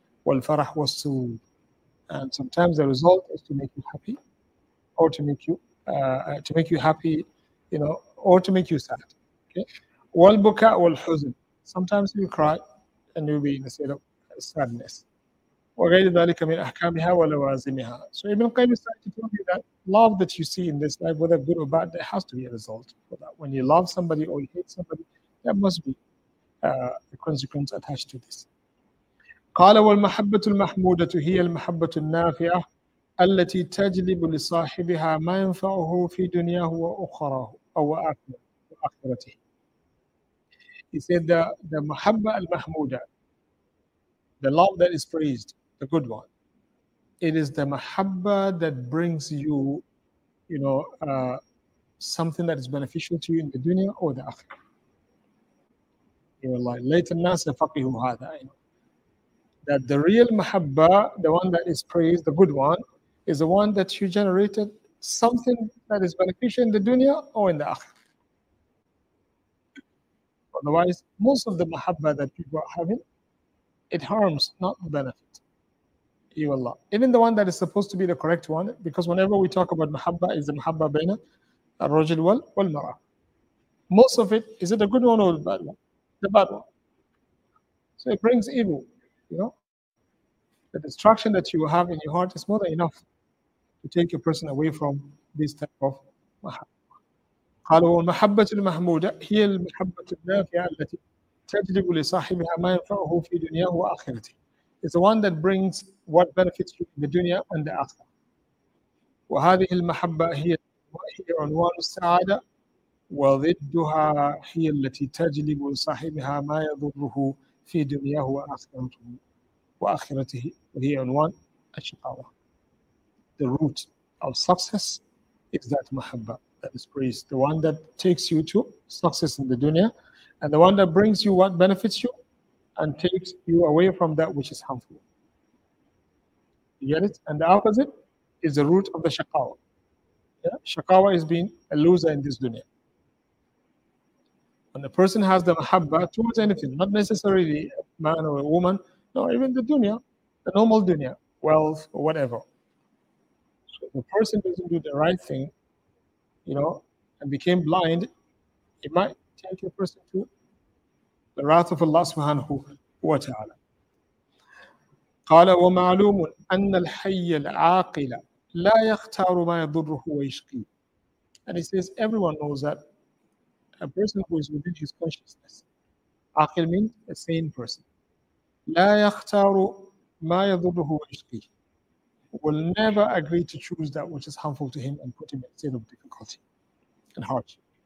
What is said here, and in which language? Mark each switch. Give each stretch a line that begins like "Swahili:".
Arabic: والفرح والسرور,
English: and sometimes the result is to make you happy, or to make you happy, you know, or to make you sad. Okay.
Arabic: والبكاء والحزن,
English: sometimes you cry and you'll be in a state of sadness.
Arabic: وغير ذلك من أحكامها ولوازمها.
English: So Ibn Qayyim is trying to tell you that love that you see in this life, whether good or bad, there has to be a result for that. When you love somebody or you hate somebody, there must be a consequence attached to this.
Arabic: قال والمحبة المحمودة هي المحبة النافعة التي تجلب لصاحبها ما ينفعه في دنياه وأخراه أو آخرته.
English: He said that the mahabba al-mahmuda, the love that is praised, the good one, it is the mahabba that brings you, you know, something that is beneficial to you in the dunya or the akhirah. You know, like later nas faqihu hadha, that the real mahabba, the one that is praised, the good one, is the one that you generated something that is beneficial in the dunya or in the akhirah. Otherwise, most of the mahabba that people are having, it harms, not the benefit. Allah. Even the one that is supposed to be the correct one, because whenever we talk about mahabba, is the mahabba
Arabic: baina al-rajul wal-mara.
English: Most of it, is it a good one or a bad one? The bad one. So it brings evil, you know? The distraction that you have in your heart is more than enough to take a person away from this type of mahabba.
Arabic: قالوا المحبة المحمودة هي المحبة النافعة التي تجلب لصاحبها ما ينفعه في دنياه وآخرته.
English: It's the one that brings what benefits you in the dunya and the akhirah.
Arabic: وهذه المحبة هي عنوان السعادة وضدها هي التي تجلب لصاحبها ما يضره في دنياه وآخرته. وهي عنوان الشقاوة.
English: The root of success is that محبة. That is praise, the one that takes you to success in the dunya, and the one that brings you what benefits you and takes you away from that which is harmful. You get it? And the opposite is the root of the shakawa. Yeah? Shakawa is being a loser in this dunya. When the person has the mahabba towards anything, not necessarily a man or a woman, no, even the dunya, the normal dunya, wealth or whatever. So if the person doesn't do the right thing, you know, and became blind, it might take a person to the wrath of Allah subhanahu wa ta'ala.
Arabic: قال ومعلوم أن الحي العاقل لا يختار ما يضره ويشقي.
English: And he says, everyone knows that a person who is within his consciousness, عاقل means a sane person,
Arabic: لا يختار ما يضره ويشقي,
English: will never agree to choose that which is harmful to him and put him in a state of difficulty and hardship.